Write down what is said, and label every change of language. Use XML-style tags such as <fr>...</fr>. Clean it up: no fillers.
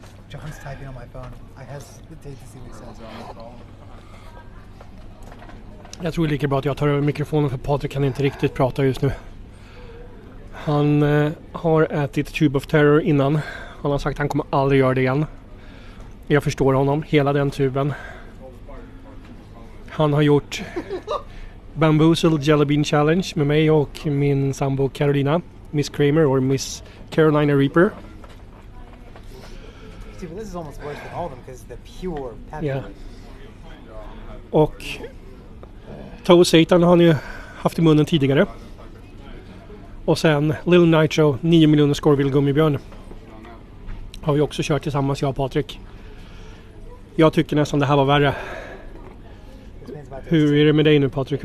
<en>John's typing on my phone. I hesitate to see what he says.</en> <sv>Jag tror det är lika bra att jag tar över mikrofonen för Patrik kan inte riktigt prata just nu. Han har ätit Tube of Terror innan. Han har sagt att han kommer aldrig göra det igen. Jag förstår honom. Hela den tuben. Han har gjort Bamboozle Jelly Bean Challenge med mig och min sambo Carolina.</sv> <en>Miss Kramer or Miss Carolina Reaper. See, well, this is almost worse than all of them because the pure pattern. Yeah.</en> <sv>Och Toe Satan har han ju haft i munnen tidigare. Och sen Lil Nitro, 9 miljoner Scoville gummibjörn. Har vi också kört tillsammans, jag och Patrik. Jag tycker nästan det här var värre. Hur är det med dig nu, Patrik?</sv>